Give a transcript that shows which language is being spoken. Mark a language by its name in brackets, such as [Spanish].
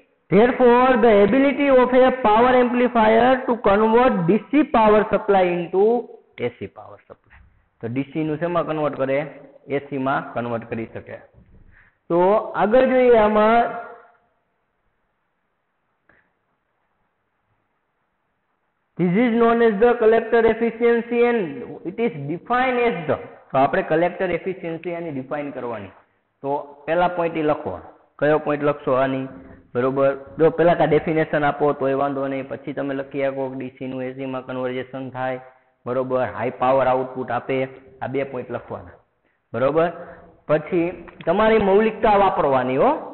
[English] Therefore, the ability of a power amplifier to convert DC power supply into AC power supply. [Gujarati] So, DC નું શેમાં convert કરે, AC માં convert કરી શકે. તો આગળ જોઈએ આમાં, [English] this is known as the collector efficiency and it is defined as the, [Gujarati] તો આપણે collector efficiency આની define કરવાની. તો પહેલા પોઈન્ટ લખો, કયો પોઈન્ટ લખશો આની બરોબર, જો પેલા કા ડેફિનેશન આપો તો એ વાંધો નહીં, પછી તમે લખી આપો ડીસી નું એસી માં કન્વર્જેશન થાય બરોબર, હાઈ પાવર આઉટપુટ આપે, આ બે પોઈન્ટ લખવાના બરોબર. પછી તમારી મૌલિકતા વાપરવાની હો.